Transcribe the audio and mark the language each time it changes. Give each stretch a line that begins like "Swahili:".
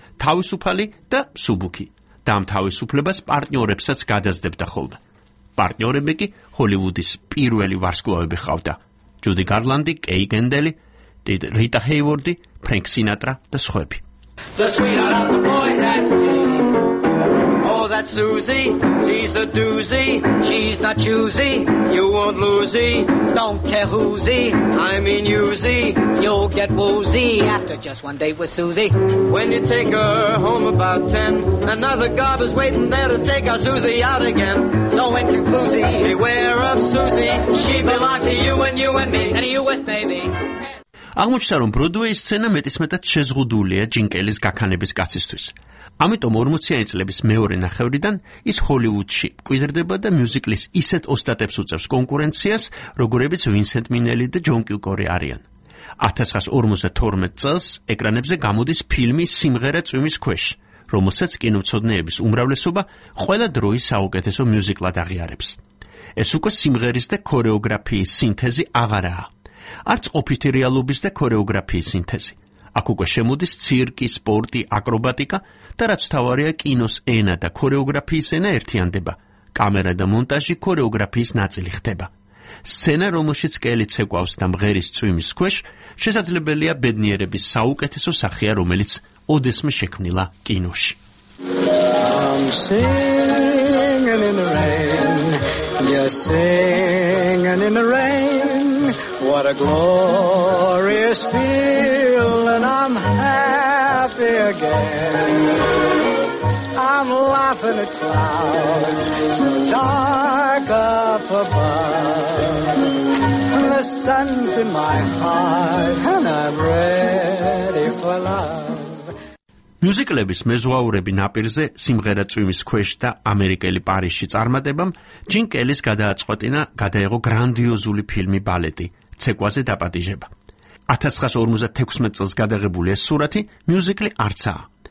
Georgian: თავისუფალი და მსუბუქი. და ამ თავისუფლებას პარტნიორებსაც გადაზდებდა ხოლმე. პარტნიორები კი ჰოლივუდის პირველი ვარსკვლავები ხავდა: ჯუდი გარლანდი, კეი კენდელი, რიტა ჰეივორდი, ფრენკ სინატრა და სხვები.
English: That's Susie, she's a doozy, she's not choosy, you won't losey, don't care whosey, I mean usey, you'll get woozy after just one date with Susie. When you take her home about 10, another gob is waiting there to take our Susie out again. So in conclusion, beware of Susie, she belongs to you and you and me, and the U.S. Navy.
Georgian: აღმოჩნდა, რომ ბროდვეის სცენა მეტისმეტად შეზღუდულია ჯინკელის გაქანების კაცისთვის. ამიტომ 40-იანი წლების მეორე ნახევრიდან ის ჰოლივუდში მკვიდრდება და მიუზიკლის ისეთ ოსტატებს უწევს კონკურენციას, როგორებიც ვინსენტ მინელი და ჯონ კილკორი არიან. 1952 წელს ეკრანებზე გამოდის ფილმი სიმღერა წვიმის ქვეშ, რომელსაც კინოცოდნეების უმრავლესობა ყველა დროის საუკეთესო მიუზიკლად აღიარებს. ეს უკვე სიმღერის და ქორეოგრაფიის სინთეზი აღარაა. არც ყოფითი რეალობის და ქორეოგრაფიის სინთეზი. აქ უკვე შემოდის ცირკი, სპორტი, აკრობატიკა და რაც მთავარია, კინოს ენა და ქორეოგრაფიის ენა ერთიანდება. კამერა და მონტაჟი ქორეოგრაფიის ნაწილი ხდება. სცენა, რომელშიც კელი ცეკვავს და მღერის წვიმის ქვეშ, შესაძლებელია ბედნიერების საუკეთესო სახეა, რომელიც ოდესმე შექმნილა კინოში.
English: I'm singing in the rain, just singing in the rain, what a glorious feel, and I'm happy again. I'm laughing at clouds so dark up above, the sun's in my heart, and I'm ready for love.
Georgian: მიუზიკლების მეზღვაურები ნაპირზე, სიმღერა წვიმის ქვეშ და ამერიკელი პარიზში წარმატებამ ჯიმ კელის გადააწყვეტინა გადაეღო გრანდიოზული ფილმი ბალეტი ცეკვაზე დაპატიჟება. 1956 წელს გადაღებული ეს სურათი მიუზიკლი არცაა.